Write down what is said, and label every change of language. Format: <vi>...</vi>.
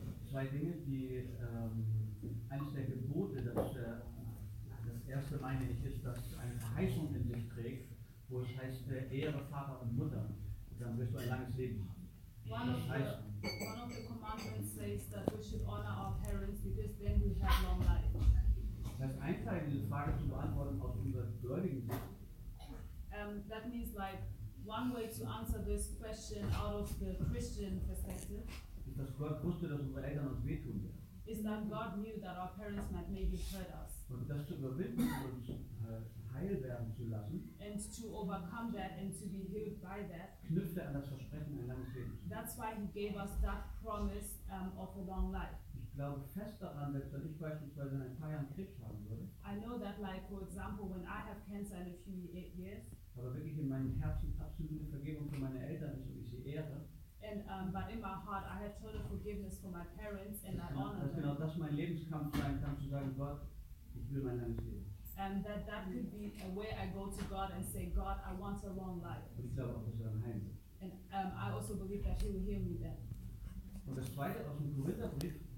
<de>Zwei Dinge, die eines der Gebote, das erste meine ich, ist, dass eine Verheißung in sich trägt, wo es heißt, ehre Vater und Mutter, dann wirst du ein langes Leben haben.</de> <en>One of the commandments says that we should honor our parents because then we have long life.</en> <de>Das ein Teil dieser Frage zu beantworten aus unserer gläubigen Sicht.</de> <en>That means like one way to answer this question out of the Christian perspective.</en> <de>Ist, dass Gott wusste, dass unsere Eltern uns wehtun werden.</de> <en>Is that God knew that our parents might maybe hurt us.</en> <de>Und das zu überwinden und uns heil werden zu lassen.</de> <en>And to overcome that and to be healed by that.</en> <de>Knüpfte an das Versprechen ein langes Leben.</de> <en>That's why he gave us that promise of a long life.</en> <de>Ich glaube fest daran, dass wenn ich beispielsweise in ein paar Jahren Krebs haben würde,</de> <en>I know that, like, for example, when I have cancer in a few years,</en> <de>aber wirklich in meinem Herzen absolute Vergebung für meine Eltern ist und ich sie ehre,</de> <en>and, but in my heart I have total forgiveness for my parents and I honor them.</en> <de>Genau das mein Lebenskampf sein kann, zu sagen, Gott, ich will mein langes Leben.</de> <en>And that could be a way I go to God and say, God, I want a long life.</en> <de>Und ich glaube auch, dass er mich heilen wird.</de> <en>And I also believe that he will heal me then.</en> <de>Und das zweite aus dem Korintherbrief.</de>